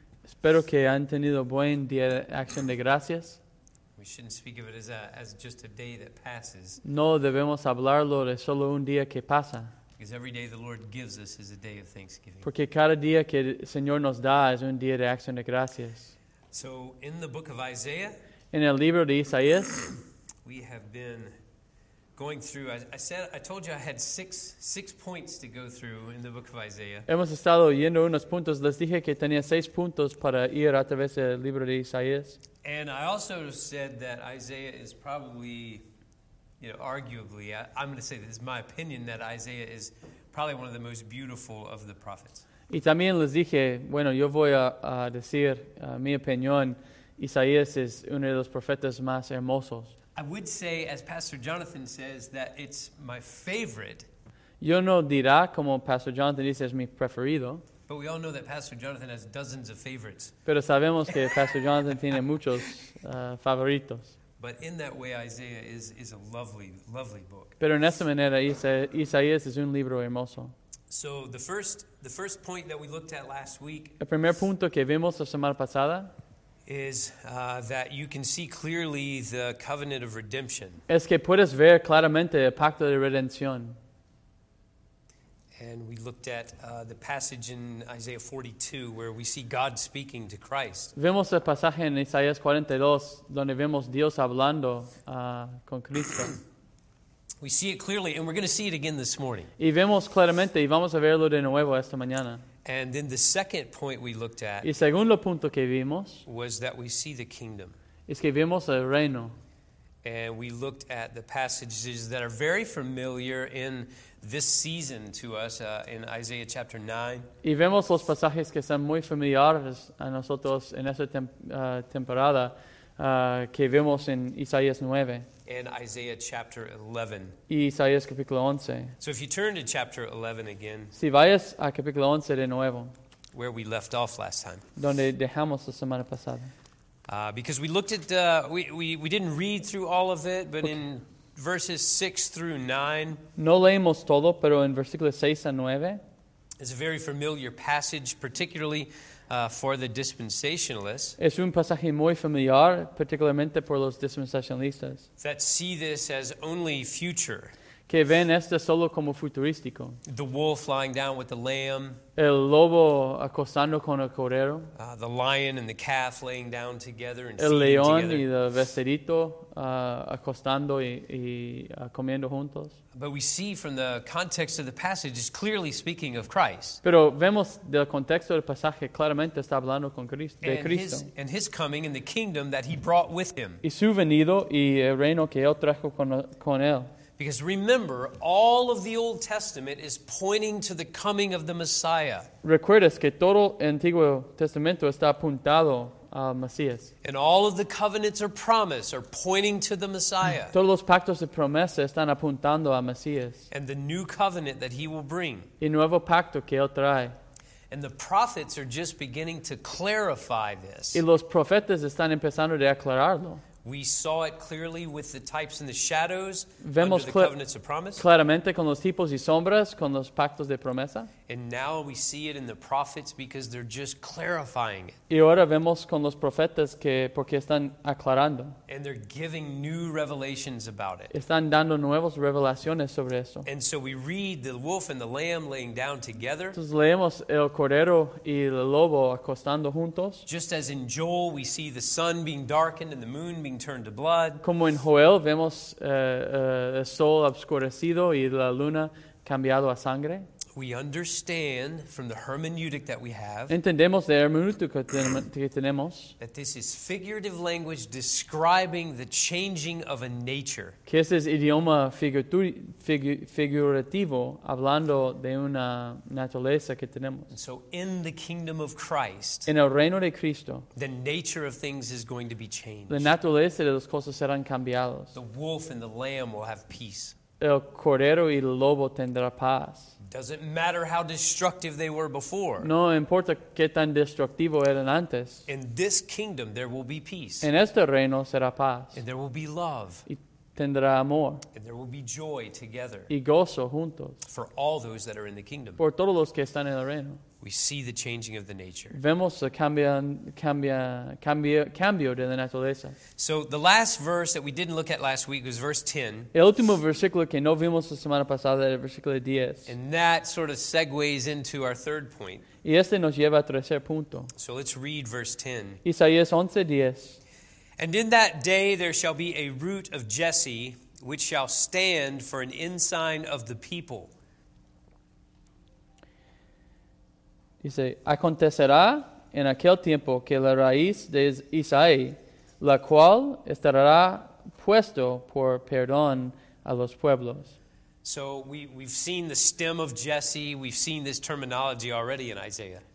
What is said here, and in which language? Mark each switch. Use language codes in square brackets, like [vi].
[es] Espero que han tenido buen día de acción de gracias. [en] We shouldn't speak of it as just a day that passes. [es] No debemos hablarlo de solo un día que pasa. [en] Because every day the Lord gives us is a day of thanksgiving. [es] Porque cada día que el Señor nos da es un día de acción de gracias. [en] So in the book of Isaiah, [es] en el libro de Isaías, [en] we have been going through. I told you I had six points to go through in the book of Isaiah. [es] Hemos estado yendo unos puntos. Les dije que tenía seis puntos para ir a través del libro de Isaías. [en] And I also said that Isaiah is probably, arguably, I'm going to say this is my opinion, that Isaiah is probably one of the most beautiful of the prophets. [es] Y también les dije, yo voy a decir mi opinión, Isaías es uno de los profetas más hermosos. [en] I would say, as Pastor Jonathan says, that it's my favorite. [es] Yo no dirá como Pastor Jonathan dice, es mi preferido. [en] But we all know that Pastor Jonathan has dozens of favorites. [es] Pero sabemos que Pastor Jonathan tiene muchos favoritos. [en] But in that way, Isaiah is a lovely, lovely book. [es] Pero en esa manera, Isaías es un libro hermoso. [en] So the first point that we looked at last week. [es] El primer punto que vimos la semana pasada [en] is that you can see clearly the covenant of redemption. [es] Es que puedes ver claramente el pacto de redención. [en] And we looked at the passage in Isaiah 42 where we see God speaking to Christ. [es] Vemos el pasaje en Isaías 42 donde vemos Dios hablando con Cristo. [en] We see it clearly, and we're going to see it again this morning. [es] Y vemos claramente, y vamos a verlo de nuevo esta mañana. [en] And then the second point we looked at, [es] y segundo punto que vimos, [en] was that we see the kingdom. [es] Es que vemos el reino. [en] And we looked at the passages that are very familiar in this season to us in Isaiah chapter 9. [es] Y vemos los pasajes que son muy familiares a nosotros en esta temporada que vemos en Isaías 9. [en] In Isaiah chapter 11. [es] Y Isaías capítulo 11. [en] So if you turn to chapter 11 again. [es] Si vayas a capítulo 11 de nuevo. [en] Where we left off last time. [es] Donde dejamos la semana pasada. [en] Because we looked at, we didn't read through all of it, but in verses 6 through 9. [es] No leemos todo, pero en versículos 6 a 9. [en] It's a very familiar passage, particularly for the dispensationalists. [es] Es un pasaje muy familiar, particularmente por los dispensacionalistas. [en] That see this as only future. [es] Que ven esto solo como futurístico. [en] The wolf lying down with the lamb. [es] El lobo acostando con el cordero. [en] The lion and the calf laying down together and [es] el [en] feeding together. [es] El león y el becerito acostando y comiendo juntos. [en] But we see from the context of the passage is clearly speaking of Christ. [es] Pero vemos del contexto del pasaje claramente está hablando con Cristo, de Cristo. [en] And his coming and the kingdom that he brought with him. [es] Y su venido y el reino que él trajo con él. [en] Because remember, all of the Old Testament is pointing to the coming of the Messiah. [es] Recuerdas que todo el Antiguo Testamento está apuntado al Mesías. [en] And all of the covenants or promise are pointing to the Messiah. [es] Todos los pactos de promesa están apuntando al Mesías. [en] And the new covenant that he will bring. [es] Y nuevo pacto que él trae. [en] And the prophets are just beginning to clarify this. [es] Y los profetas están empezando de aclararlo. [en] We saw it clearly with the types and the shadows under the covenants of promise. [es] Claramente con los tipos y sombras, con los pactos de promesa. [en] And now we see it in the prophets because they're just clarifying it. [es] Y ahora vemos con los profetas que porque están aclarando. [en] And they're giving new revelations about it. [es] Están dando nuevas revelaciones sobre eso. [en] And so we read the wolf and the lamb laying down together. [es] Entonces leemos el cordero y el lobo acostando juntos. [en] Just as in Joel we see the sun being darkened and the moon being turned to blood. [es] Como en Joel vemos el sol obscurecido y la luna cambiado a sangre. [en] we understand from the hermeneutic that we have. [es] Entendemos de hermenéutica que tenemos. [en] That this is figurative language describing the changing of a nature. [es] Que este es idioma figurativo hablando de una naturaleza que tenemos. [en] And so in the kingdom of Christ. [es] En el reino de Cristo. [en] The nature of things is going to be changed. [es] La naturaleza de las cosas serán cambiados. [en] The wolf and the lamb will have peace. [es] El cordero y el lobo tendrá paz. [en] Doesn't matter how destructive they were before. [es] No importa qué tan destructivo eran antes. [en] In this kingdom there will be peace. [es] En este reino será paz. [en] And there will be love. [es] Y tendrá amor. [en] And there will be joy together. [es] Y gozo juntos. [en] For all those that are in the kingdom. [es] Por todos los que están en el reino. [en] We see the changing of the nature. [es] Vemos el cambio de la naturaleza. [en] So the last verse that we didn't look at last week was verse 10. [es] El último versículo que no vimos la semana pasada era el versículo 10. [en] And that sort of segues into our third point. [es] Y este nos lleva a tercer punto. [en] So let's read verse 10. [es] Isaías 11:10. [en] And in that day there shall be a root of Jesse, which shall stand for an ensign of the people. [es] Dice, acontecerá en aquel tiempo que la raíz de Isaí, la cual estará puesto por perdón a los pueblos. [en] So we've seen the stem of Jesse. We've seen this terminology already in Isaiah.